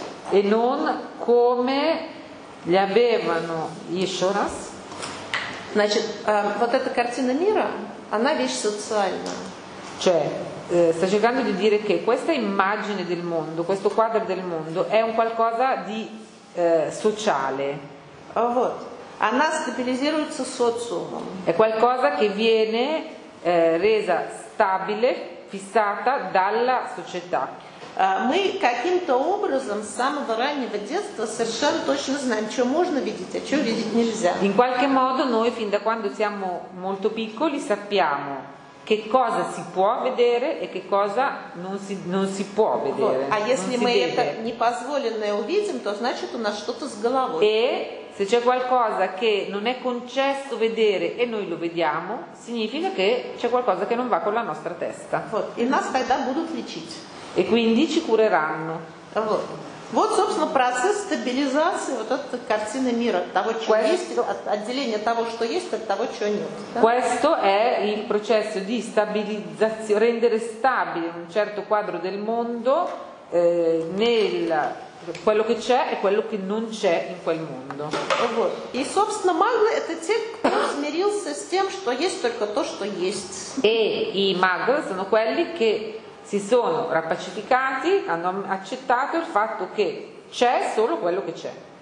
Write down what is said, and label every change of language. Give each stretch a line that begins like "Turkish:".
Italian: E non come gli avevano Ishoras.
Russian: Значит, вот эта картина мира, она вещь социальная.
Italian: Cioè, sta cercando di dire che questa immagine del mondo, questo quadro del mondo, è un qualcosa di sociale.
Russian: Вот. Она стабилизируется социумом.
Italian: È qualcosa che viene resa stabile, fissata dalla società.
Russian: Мы каким-то образом с самого раннего детства совершенно точно знаем, что можно видеть, а что видеть нельзя.
Italian: In qualche modo noi fin da quando siamo molto piccoli sappiamo che cosa si può vedere e che cosa non si può vedere.
Russian: А если мы это непозволенное увидим, то значит у нас что-то с головой.
Italian: E se c'è qualcosa che non è concesso vedere e noi lo vediamo, significa che c'è qualcosa che non va con la nostra testa.
Russian: И нас тогда будут лечить.
Italian: E quindi ci cureranno.
Russian: Вот, собственно, процесс стабилизации вот этой картины мира, того, что есть, отделение того, что есть, от того, чего нет.
Italian: Questo è il processo di stabilizzazione, rendere stabile un certo quadro del mondo nel quello che c'è e quello che non c'è in quel mondo.
Russian: И, собственно, маглы — это те, кто смирился с тем, что есть только то, что есть.
Italian: E i maghi sono quelli che si sono rapacificati, hanno accettato il fatto che c'è solo quello che c'è.